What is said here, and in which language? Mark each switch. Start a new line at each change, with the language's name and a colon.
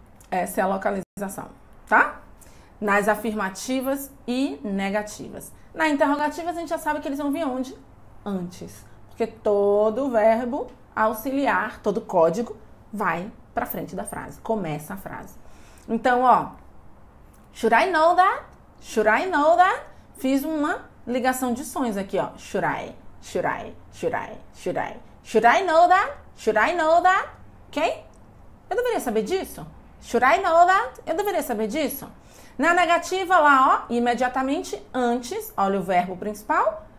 Portuguese: Essa é a localização, tá? Nas afirmativas e negativas. Na interrogativa, a gente já sabe que eles vão vir onde? Antes, porque todo verbo auxiliar, todo código vai para frente da frase, começa a frase. Então, ó,
English: should I know that? Should I know that?
Portuguese: Fiz uma ligação de sons aqui, ó.
English: Should I? Should I? Should I? Should I? Should I know that? Should I know that? Ok?
Portuguese: Eu deveria saber disso?
English: Should I know that?
Portuguese: Eu deveria saber disso? Na negativa lá, ó, imediatamente antes, olha o verbo principal.